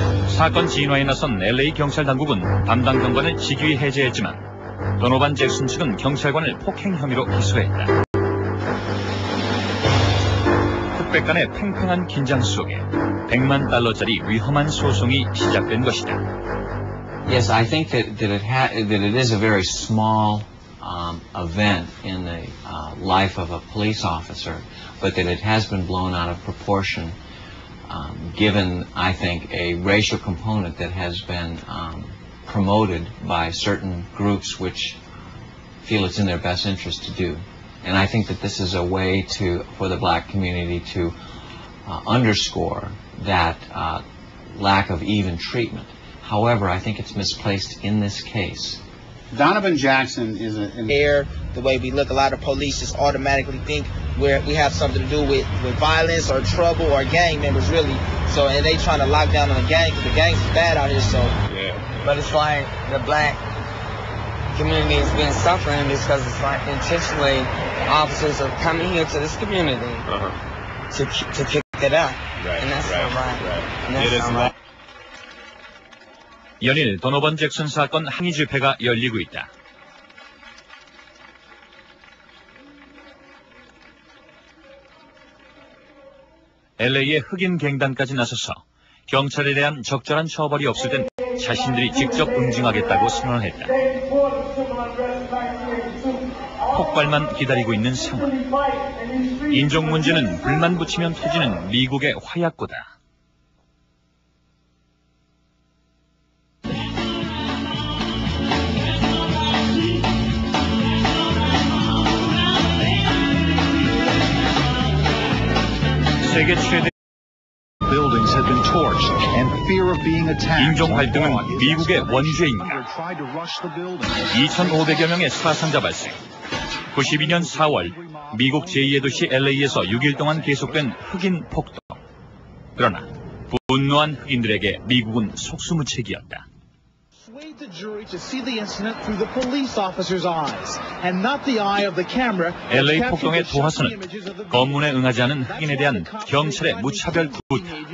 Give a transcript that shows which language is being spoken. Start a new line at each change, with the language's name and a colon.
Korean: 사건 진화에 나선 LA 경찰 당국은 담당 경관을 직위 해제했지만 도노반 잭슨 측은 경찰관을 폭행 혐의로 기소했다. 흑백 간의 팽팽한 긴장 속에 100만 달러짜리 위험한 소송이 시작된 것이다.
English: Yes, I think that it is a very small event in the life of a police officer, but that it has been blown out of proportion given I think a racial component that has been promoted by certain groups which feel it's in their best interest to do. And I think that this is a way to for the black community to underscore that lack of even treatment. However, I think it's misplaced in this case. Donovan Jackson is the way we look, a lot of police just automatically think we have something to do with violence or trouble or gang members, really. So, and they trying to lock down on the gang because the gang's bad out here, so. Yeah. But it's like the black community has been suffering because it's like intentionally officers are coming here to this community to kick it out. Right.
Korean: 연일 도노반 잭슨 사건 항의 집회가 열리고 있다. LA의 흑인 갱단까지 나서서 경찰에 대한 적절한 처벌이 없을 땐 자신들이 직접 응징하겠다고 선언했다. 폭발만 기다리고 있는 상황. 인종 문제는 불만 붙이면 터지는 미국의 화약고다. 세계 최대
English: buildings have been torched and fear of being attacked.
Korean: 인종 갈등은 미국의 원죄인가? 2,500여 명의 사상자 발생. 92년 4월 미국 제2의 도시 LA에서 6일 동안 계속된 흑인 폭동. 그러나 분노한 흑인들에게 미국은 속수무책이었다.
English: Persuade the jury to see the incident through the police officer's eyes and not the eye of the camera.
Korean: LA 폭동의 도화선은 검문에 응하지 않은 흑인에 대한 경찰의 무차별 구타.